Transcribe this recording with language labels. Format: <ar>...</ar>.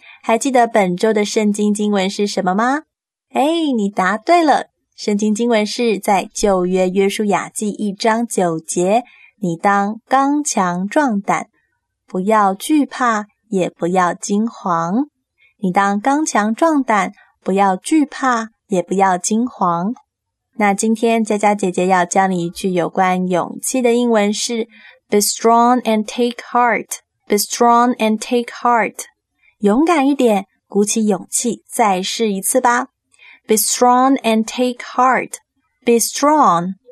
<zh>还记得本周的圣经经文是什么吗？哎，你答对了，圣经经文是在旧约约书亚记一章九节，你当刚强壮胆，不要惧怕，也不要惊惶。你当刚强壮胆，不要惧怕，也不要惊惶。那今天佳佳姐姐要教你一句有关勇气的英文是</zh> <en>Be strong and take heart. Be strong and take heart.</en> <zh>勇敢一点，鼓起勇气，再试一次吧。</zh> <en>Be strong and take heart. Be strong.</en>